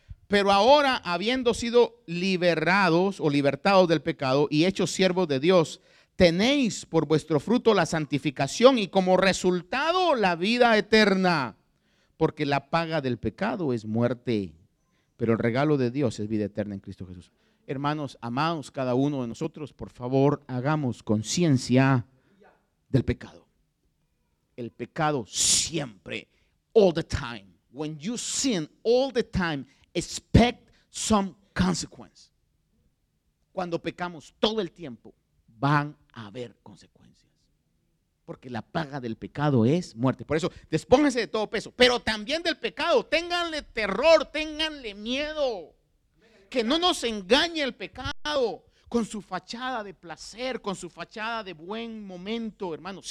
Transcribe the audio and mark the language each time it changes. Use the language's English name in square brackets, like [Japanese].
[Spanish] Pero ahora, habiendo sido liberados o libertados del pecado y hechos siervos de Dios, tenéis por vuestro fruto la santificación y como resultado la vida eterna. Porque la paga del pecado es muerte, pero el regalo de Dios es vida eterna en Cristo Jesús. Hermanos, amados, cada uno de nosotros, por favor, hagamos conciencia del pecado. El pecado siempre, [English] all the time. When you sin all the time, expect some consequence. [Spanish] Cuando pecamos todo el tiempo, van a haber consecuencias. Porque la paga del pecado es muerte. Por eso, despónganse de todo peso, pero también del pecado. Ténganle terror, ténganle miedo. Que no nos engañe el pecado con su fachada de placer, con su fachada de buen momento, hermano.